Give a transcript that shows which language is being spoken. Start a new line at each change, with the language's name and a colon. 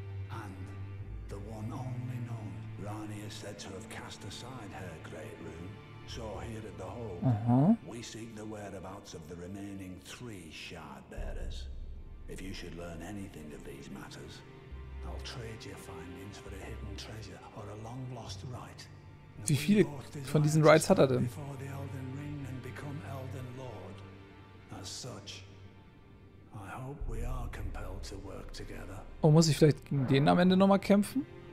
English: And the one only known. Rani is said to have cast aside her great rune. So here at the hall, we seek the whereabouts of the remaining three shard bearers. If you should learn anything of these matters, I'll trade your findings for a hidden treasure or a long lost rite.
German: Wie viele von diesen Rites hat er denn?
English: Before the Elden Ring and become Elden Lord. As such, I hope we are compelled to work together.
German: Oh, muss ich vielleicht gegen den am Ende nochmal kämpfen?